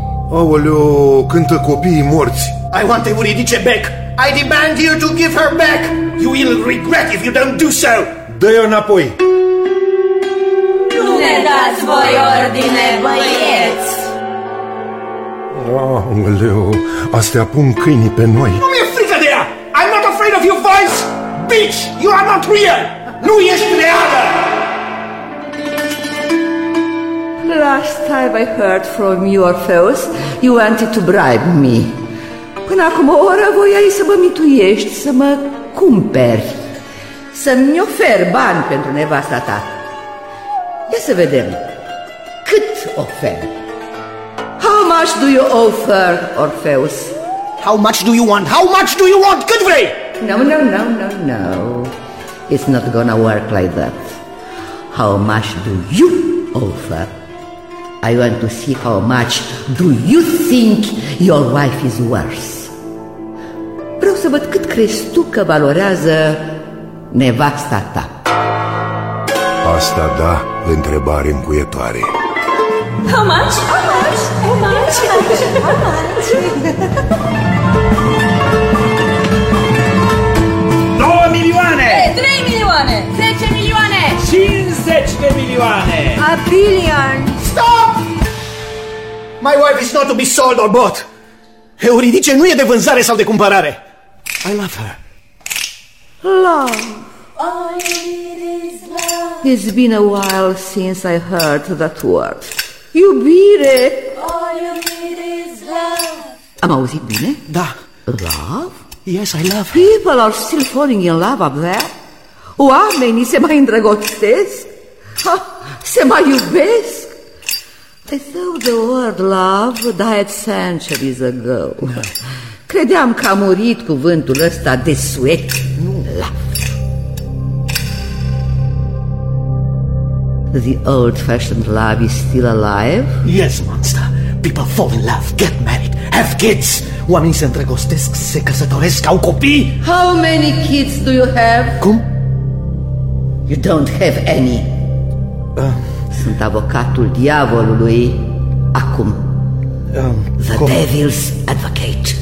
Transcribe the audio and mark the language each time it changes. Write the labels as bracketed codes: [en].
[ro] Aoleo, cântă copiii morți. [en] I want Euridice back. I demand you to give her back. You will regret if you don't do so. [ro] Dă-i înapoi. Nu ne dați voi ordine, băieți. Aoleo, astea pun câinii pe noi. Nu mi-e frică de ea. [en] I'm not afraid of your voice. Bitch, you are not real. [ro] Nu ești reală. [en] Last time I heard from you, Orpheus, you wanted to bribe me. [ro] Până acum o oră voiai să mă mituiești, să mă cumperi, să-mi oferi bani pentru nevasta ta. Ia să vedem, cât ofer? [en] How much do you offer, Orpheus? How much do you want? How much do you want? [ro] Cât vrei? [en] No. It's not gonna work like that. How much do you offer? I want to see how much do you think your wife is worth? [ro] Vreau să văd cât crezi tu că valorează nevasta ta. Asta da, întrebare încuietoare. [en] How much? How much? How much? How much? How much? [ro] 2 milioane! 3 milioane! 10 milioane! 50 de milioane! [en] 1 billion! Stop! My wife is not to be sold or bought. [ro] Euridice nu e de vânzare sau de cumpărare. [en] I love her. Love. It's been a while since I heard that word. [ro] Iubire. [en] All you need is love. [ro] Am auzit bine? Da. [en] Love? Yes, I love her. People are still falling in love up there. [ro] Oamenii se mai îndrăgostesc. Se mai iubesc. [en] I thought the word love died centuries ago. No. [ro] Credeam că a murit cuvântul ăsta de suet. Nu, love. [en] The old-fashioned love is still alive? Yes, monster. People fall in love, get married, have kids. [ro] Oamenii se îndrăgostesc, se căsătoresc, au copii. [en] How many kids do you have? [ro] Cum? [en] You don't have any. [ro] Sunt avocatul diavolului acum. [en] Devil's advocate.